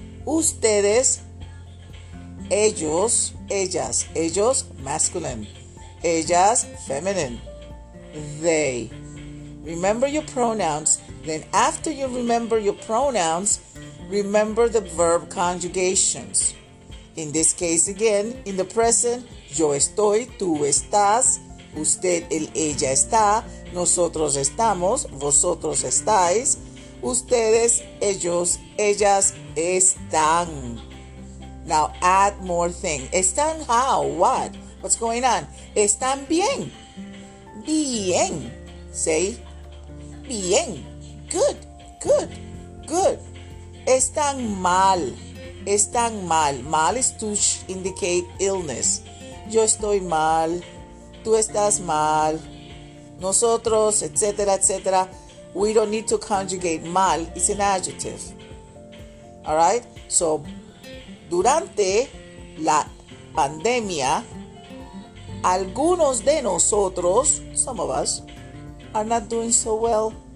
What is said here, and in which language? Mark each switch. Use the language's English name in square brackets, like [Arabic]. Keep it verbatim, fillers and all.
[Spanish] Ustedes, ellos, ellas, ellos, masculine, ellas, feminine, they. [English] Remember your pronouns. Then after you remember your pronouns, remember the verb conjugations. In this case again, in the present, [Spanish] yo estoy, tú estás, usted, él, ella está, nosotros estamos, vosotros estáis, ustedes, ellos, ellas están. [English] Now add more thing. Están how? What? What's going on? [Spanish] Están bien. Bien. [English] Say bien. Good. Good. Good. [Spanish] Están mal. Están mal. [English] Mal is to indicate illness. [Spanish] Yo estoy mal. Tú estás mal. Nosotros, etcétera, etcétera. [English] We don't need to conjugate mal. It's an adjective. All right? So, [Spanish] durante la pandemia, algunos de nosotros, [English] some of us, are not doing so well.